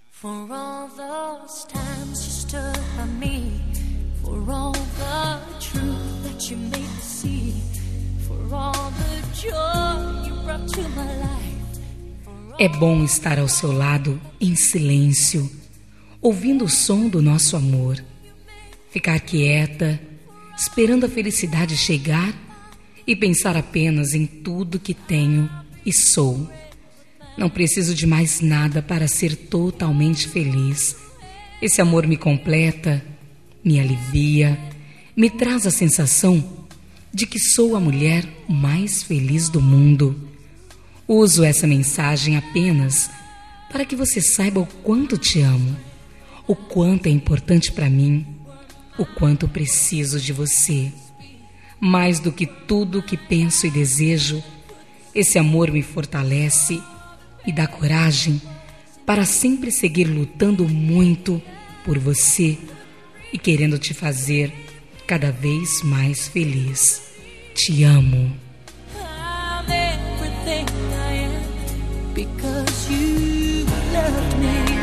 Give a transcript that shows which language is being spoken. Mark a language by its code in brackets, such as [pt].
[en] For all those times you stood by me, for all the truth that you made me see, for all the joy you brought to my life. [pt] É bom estar ao seu lado em silêncio, ouvindo o som do nosso amor. Ficar quieta, esperando a felicidade chegar e pensar apenas em tudo que tenho e sou. Não preciso de mais nada para ser totalmente feliz. Esse amor me completa, me alivia, me traz a sensação de que sou a mulher mais feliz do mundo. Uso essa mensagem apenas para que você saiba o quanto te amo, o quanto é importante para mim, o quanto preciso de você. Mais do que tudo o que penso e desejo, esse amor me fortalece e dá coragem para sempre seguir lutando muito por você e querendo te fazer cada vez mais feliz. Te amo. [en] I'm everything I am because you loved me.